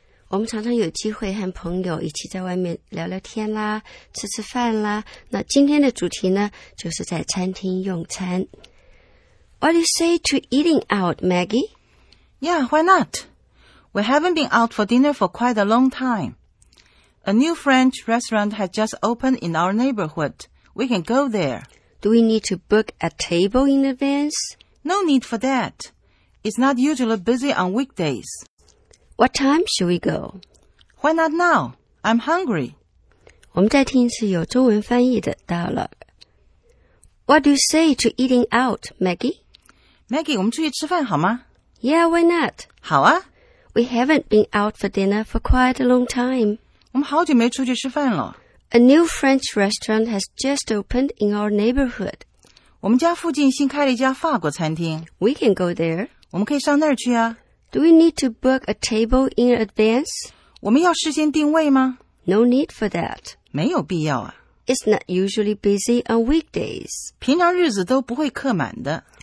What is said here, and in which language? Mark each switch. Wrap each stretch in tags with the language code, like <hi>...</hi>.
<zh>我们常常有机会和朋友一起在外面聊聊天啦，吃吃饭啦。那今天的主题呢，就是在餐厅用餐。</zh> <en>What do you say to eating out, Maggie? Yeah, why not? We haven't been out for dinner for quite a long time. A new French restaurant has just opened in our neighborhood. We can go there. Do we need to book a table in advance? No need for that. It's not usually busy on weekdays. What time should we go? Why not now? I'm hungry.</en> <zh>我们再听一次有中文翻译的 dialogue.</zh> <en>What do you say to eating out, Maggie?</en> <zh>Maggie, 我们出去吃饭好吗?</zh> <en>Yeah, why not?</en> <zh>好啊。</zh> <en>We haven't been out for dinner for quite a long time.</en> <zh>我们好久没出去吃饭了。</zh> <en>A new French restaurant has just opened in our neighborhood.</en> <zh>我们家附近新开了一家法国餐厅。</zh> <en>We can go there.</en> <zh>我们可以上那儿去啊。</zh> <en>Do we need to book a table in advance?</en> <zh>我们要事先定位吗?</zh> <en>No need for that.</en> <zh>没有必要啊。</zh> <en>It's not usually busy on weekdays.</en> <zh>平常日子都不会客满的。</zh>